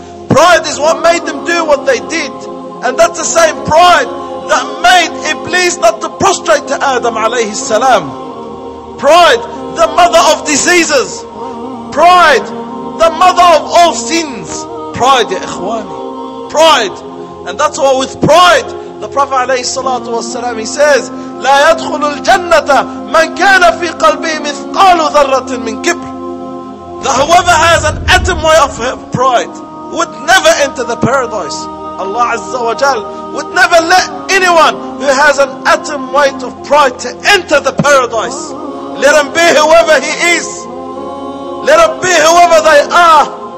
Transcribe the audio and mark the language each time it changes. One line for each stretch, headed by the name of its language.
English: Pride is what made them do what they did. And that's the same pride that made Iblis not to prostrate to Adam alayhi salam. Pride, the mother of diseases. Pride, the mother of all sins. Pride, ya ikhwani. Pride. And that's why with pride, The Prophet alayhi salatu wasalam, he says,
Arabic: لَا يَدْخُلُ الْجَنَّةَ مَنْ كَانَ فِي قَلْبِهِ مِثْقَالُ ذَرَّةٍ مِنْ كِبْرٍ.
English: That whoever has an atom of pride would never enter the paradise. Allah Azza wa Jal would never let anyone who has an atom weight of pride to enter the paradise. Let him be whoever he is. Let him be whoever they are.